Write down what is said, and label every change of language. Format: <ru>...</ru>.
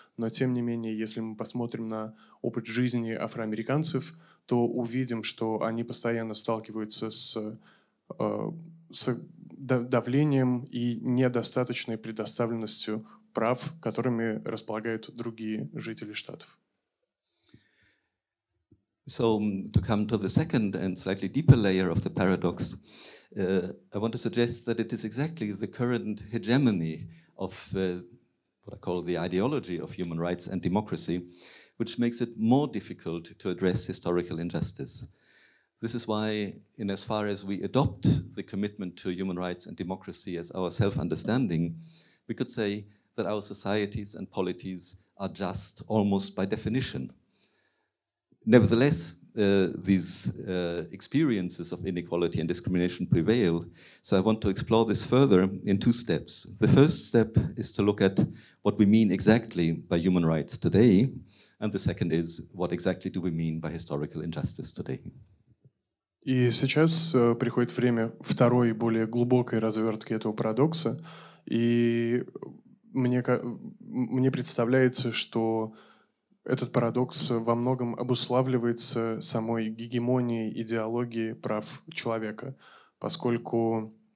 <ru>Но тем не менее, если мы посмотрим на опыт жизни афроамериканцев, то увидим, что они постоянно сталкиваются с давлением и недостаточной предоставленностью прав, которыми располагают другие жители штатов.</ru> <en>So, to come to the second and slightly deeper layer of the paradox, I want to suggest that it is exactly the current hegemony of what I call the ideology of human rights and democracy, which makes it more difficult to address historical injustice. This is why, in as far as we adopt the commitment to human rights and democracy as our self-understanding, we could say that our societies and polities are just almost by definition. Nevertheless, these experiences of inequality and discrimination prevail, so I want to explore this further in two steps. The first step is to look at what we mean exactly by human rights today, and the second is what exactly do we mean by historical injustice today.</en> <ru>И сейчас приходит время второй, более глубокой развертки этого парадокса. И мне представляется, что этот парадокс во многом обуславливается самой гегемонией идеологии прав человека, поскольку</ru>